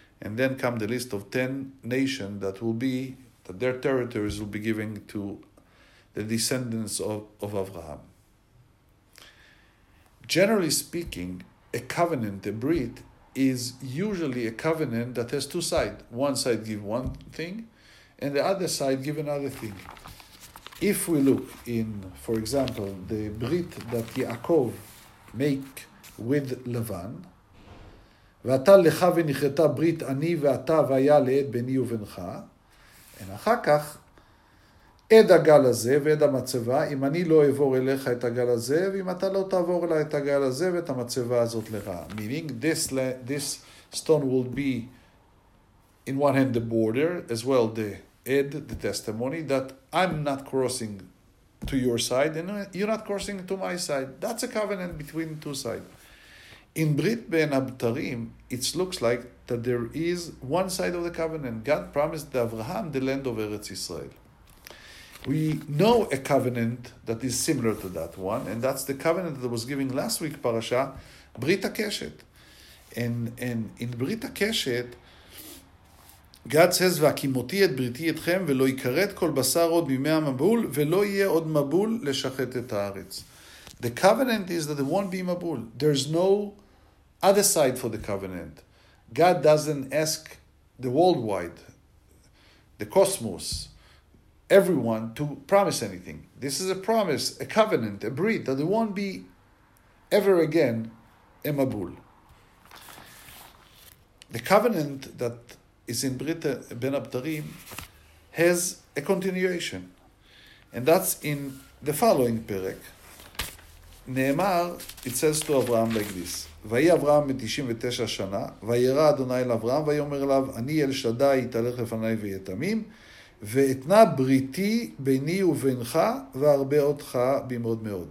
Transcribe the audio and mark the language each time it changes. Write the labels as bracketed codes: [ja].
[en] And then come the list of 10 nations that their territories will be given to the descendants of Avraham. Generally speaking, a covenant, a brit, is usually a covenant that has two sides. One side give one thing, and the other side give another thing. If we look in, for example, the brit that Yaakov make with Lavan, [he] ואתה לך ונכרתה ברית אני ואתה והיה לעד ביני ובינך, and אחר כך, עד הגל הזה ועד המצבה, אם אני לא אעבור אליך את הגל הזה, ואם אתה לא תעבור אליי את הגל הזה ואת המצבה הזאת לרע. [en] Meaning, this stone will be, in one hand, the border, as well the ed, the testimony, that I'm not crossing to your side, and you're not crossing to my side. That's a covenant between two sides. In Brit Ben Abtarim, it looks like that there is one side of the covenant. God promised Abraham the land of Eretz Israel. We know a covenant that is similar to that one, and that's the covenant that was given last week, Parasha, Brit HaKeshet. And in Brit HaKeshet, God says, [he] וַהְקִמֹתִי אֶת בְּרִיתִי אֶתְכֶם, וְלֹא יִכָּרֵת כָּל בָשָׂר עוד מִמֵּי הַמַּבּוּל, וְלֹא יִהְיֶה עוד מַבּוּל לְשַׁחֵת אֶת הָאָרֶץ. [en] The covenant is that there won't be Mabul. There's no other side for the covenant. God doesn't ask the worldwide, the cosmos, everyone to promise anything. This is a promise, a covenant, a brit, that there won't be ever again a Mabul. The covenant that is in Brit Ben Aptarim has a continuation. And that's in the following perek. [he] נאמר, [en] it says to Avraham like this, [he] ויהי אברהם ב-99 שנה, וירא אדוני אל אברהם, ויאמר אליו, אני אל שדי, יתהלך לפני ויתמים, ואתנה בריתי ביני ובינך, וארבה אותך במאוד מאוד.